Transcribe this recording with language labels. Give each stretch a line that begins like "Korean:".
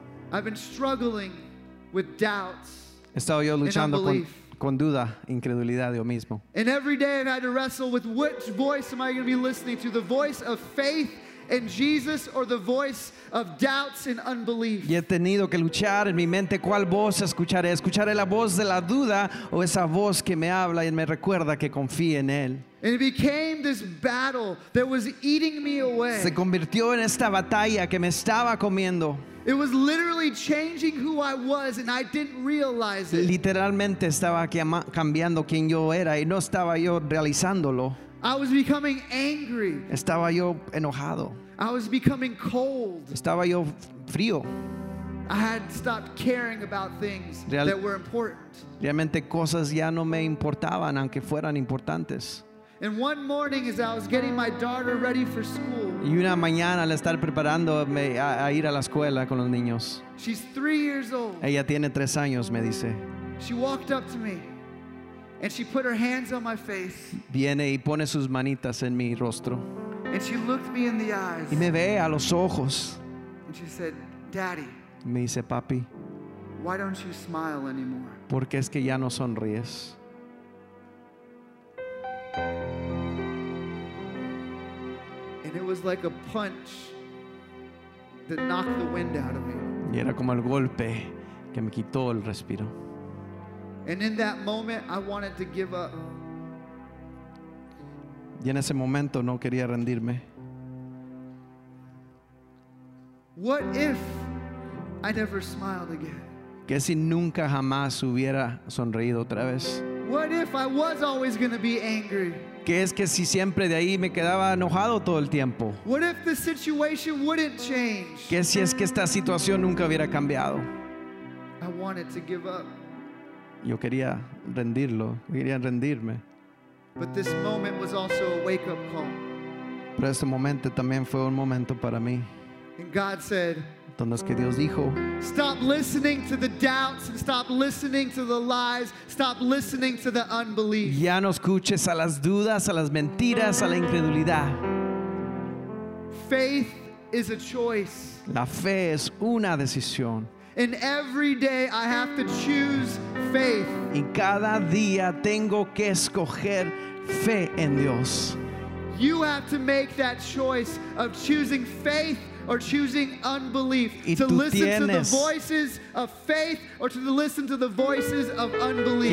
English: I've been struggling with doubts.
Spanish: Estaba yo luchando
English: and unbelief.
Spanish: Con duda, incredulidad yo mismo.
English: And every day I've had to wrestle with which voice am I going to be listening to—the voice of faith. And Jesus or the voice of doubts and unbelief.
Spanish: Y he tenido que luchar en mi mente cuál voz escucharé. ¿Escucharé la voz de la duda o esa voz que me habla y me recuerda que confíe en él?
English: And it became this battle that was eating me away.
Spanish: Se convirtió en esta batalla que me estaba comiendo.
English: It was literally changing who I was and I didn't realize it.
Spanish: Literalmente estaba cambiando quién yo era y no estaba yo realizándolo.
English: I was becoming angry.
Spanish: Estaba yo enojado.
English: I was becoming cold.
Spanish: Estaba yo frío.
English: I had stopped caring about things that were important.
Spanish: Realmente cosas ya no me importaban aunque fueran importantes.
English: And one morning as I was getting my daughter ready for school.
Spanish: Y una mañana al estar preparándome a ir a la escuela con los niños.
English: She's 3 years old.
Spanish: Ella tiene 3 años, me dice.
English: She walked up to me. And she put her hands on my face.
Spanish: Viene y pone sus manitas en mi rostro.
English: And she looked me in the eyes.
Spanish: Y me ve a los ojos.
English: And she said, "Daddy."
Spanish: Me dice, "Papi."
English: "Why don't you smile anymore?"
Spanish: Porque es que ya no sonríes.
English: And it was like a punch that knocked the wind out of me.
Spanish: Y era como el golpe que me quitó el respiro.
English: And in that moment, I wanted to give up.
Spanish: Y en ese momento no quería rendirme.
English: What if I never smiled again?
Spanish: ¿Qué si nunca jamás hubiera sonreído otra vez?
English: What if I was always going to be angry?
Spanish: ¿Qué es que si siempre de ahí me quedaba enojado todo el tiempo?
English: What if the situation wouldn't change?
Spanish: ¿Qué si es que esta situación nunca hubiera cambiado?
English: I wanted to give up.
Spanish: Yo quería rendirlo, quería rendirme.
English: But this moment was also a wake-up call.
Spanish: Pero ese momento también fue un momento para mí.
English: And God said,
Spanish: donde es que Dios dijo,
English: stop listening to the doubts and stop listening to the lies, stop listening to the unbelief.
Spanish: Ya no escuches a las dudas, a las mentiras, a la incredulidad.
English: Faith is a choice.
Spanish: La fe es una decisión.
English: And every day I have to choose faith.
Spanish: Y cada día tengo que escoger fe en Dios.
English: You have to make that choice of choosing faith or choosing unbelief, to listen to the voices of faith or to listen to the voices of unbelief.